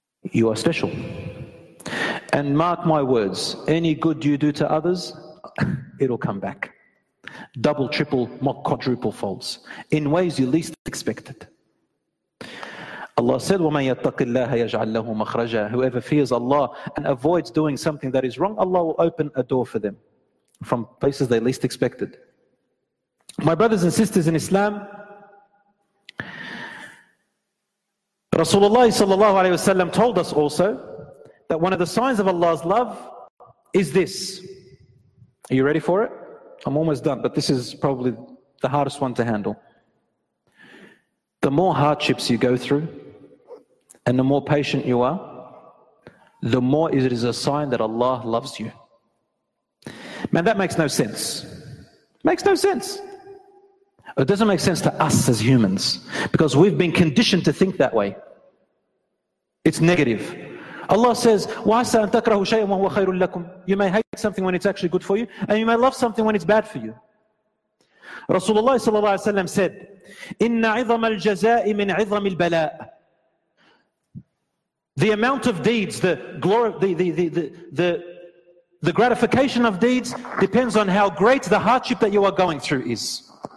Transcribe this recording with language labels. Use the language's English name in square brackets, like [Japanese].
[English] You are special. And mark my words, any good you do to others, it'll come back. Double, triple, quadruple folds. In ways you least expect it. Allah said, [Arabic] وَمَن يَتَّقِ اللَّهَ يَجْعَلْ لَهُ مَخْرَجًا. [English] Whoever fears Allah and avoids doing something that is wrong, Allah will open a door for them from places they least expected. My brothers and sisters in Islam, Rasulullah sallallahu alayhi wasallam told us also that one of the signs of Allah's love is this. Are you ready for it? I'm almost done, but this is probably the hardest one to handle. The more hardships you go through, and the more patient you are, the more it is a sign that Allah loves you. Man, that makes no sense. Makes no sense. It doesn't make sense to us as humans, because we've been conditioned to think that way. It's negative. Allah says, [Arabic] وَعَسَىٰ أَن تَكْرَهُ شَيْءٍ وَهُوَ خَيْرٌ لَكُمْ. [English] You may hate something when it's actually good for you, and you may love something when it's bad for you. Rasulullah sallallahu alayhi wa sallam said, [Arabic] إِنَّ عِظَمَ الْجَزَاءِ مِنْ عِظَمِ الْبَلَاءِ. [English] The amount of deeds, the glory, the gratification of deeds depends on how great the hardship that you are going through is.